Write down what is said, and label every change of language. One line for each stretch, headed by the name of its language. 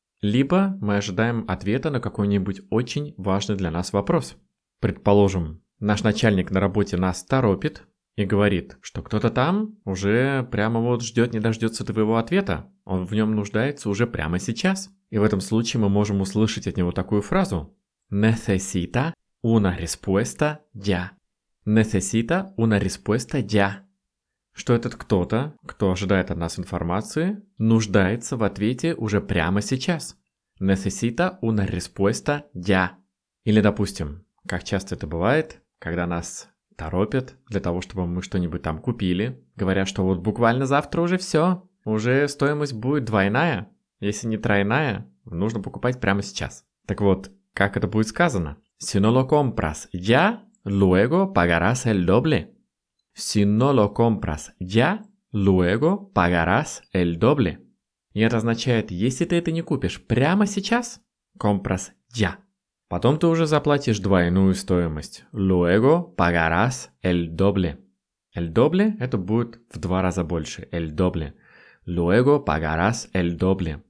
Russian: Либо мы ожидаем ответа на какой-нибудь очень важный для нас вопрос. Предположим, наш начальник на работе нас торопит и говорит, что кто-то там уже прямо вот ждет, не дождется твоего ответа. Он в нем нуждается уже прямо сейчас. И в этом случае мы можем услышать от него такую фразу.
Spanish: Necesita una respuesta ya. Necesita una respuesta ya.
Russian: Что этот кто-то, кто ожидает от нас информации, нуждается в ответе уже прямо сейчас.
Spanish: Necesita una respuesta ya.
Russian: Или, допустим, как часто это бывает, когда нас торопят для того, чтобы мы что-нибудь там купили, говоря, что вот буквально завтра уже все, уже стоимость будет двойная, если не тройная, нужно покупать прямо сейчас. Так вот, как это будет сказано?
Spanish: Si no lo compras ya, luego pagarás el doble. Si no lo compras ya, luego pagarás el doble.
Russian: И это означает, если ты это не купишь прямо сейчас,
Spanish: compras ya.
Russian: Потом ты уже заплатишь двойную стоимость.
Spanish: Luego pagarás el doble. El doble
Russian: – это будет в два раза больше.
Spanish: El doble. Luego pagarás el doble.